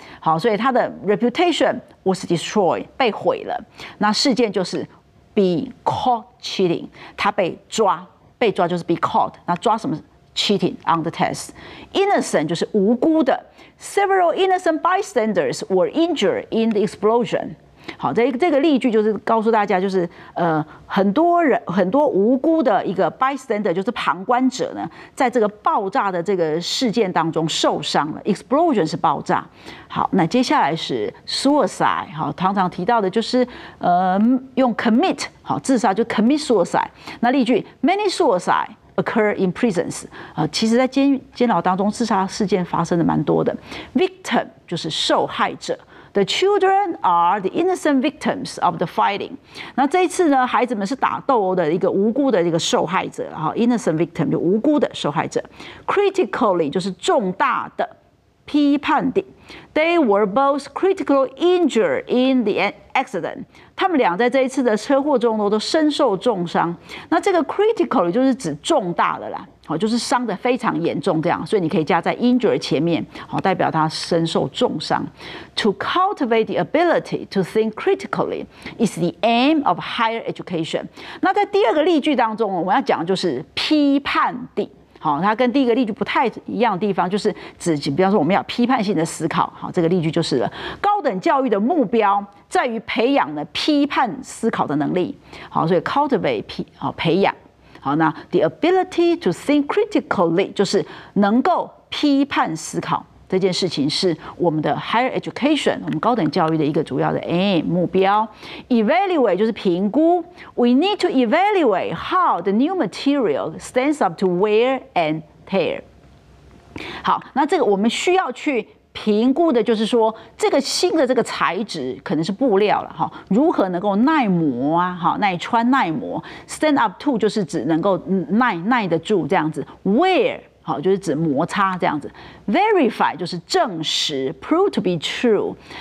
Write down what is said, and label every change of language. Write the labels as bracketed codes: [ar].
[zh] 好，所以他的 [en] reputation was destroyed， [zh] 被毁了。那事件就是 [en] be caught cheating， [zh] 他被抓，被抓就是 [en] be caught， [zh] 那抓什么 [en] cheating on the test。 [zh] innocent 就是无辜的。 [en] Several innocent bystanders were injured in the explosion。 [zh] 好，这个例句就是告诉大家，就是很多无辜的一个 bystander， 就是旁观者呢，在这个爆炸的这个事件当中受伤了。 explosion 是爆炸。好，那接下来是 suicide。好，常常提到的就是用 commit， 好，自杀就 [en] commit suicide。 [zh] 那例句 [en] many suicide occur in prisons， [zh] 其实在监牢当中自杀事件发生的蛮多的。 victim 就是受害者。 [en] The children are the innocent victims of the fighting。 [zh] 那这一次呢，孩子们是打斗的一个无辜的一个受害者。 [en] innocent victim [zh] 就无辜的受害者。critically 就是重大的批判的。 [en] They were both critically injured in the accident， [zh] 他们俩在这一次的车祸中都深受重伤。那这个 critically 就是指重大的啦，就是伤得非常严重这样，所以你可以加在 injure 前面，代表他深受重伤。 [en] To cultivate the ability to think critically is the aim of higher education。 [zh] 那在第二个例句当中，我们要讲的就是批判的。好，它跟第一个例句不太一样的地方，就是指比方说我们要批判性的思考。好，这个例句就是了，高等教育的目标在于培养了批判思考的能力。好，所以 cultivate 培养。好，那 [en] the ability to think critically [zh] 就是能够批判思考，这件事情是我们的 [en] higher education， [zh] 我们高等教育的一个主要的 aim 目标。 evaluate 就是评估。 [en] We need to evaluate how the new material stands up to wear and tear。 [zh] 好，那这个我们需要去评估的就是说，这个新的这个材质可能是布料了，如何能够耐磨啊，耐穿耐磨。 stand up to 就是指能够耐得住这样子。 wear 就是指摩擦这样子。verify 就是证实， [en] prove to be true。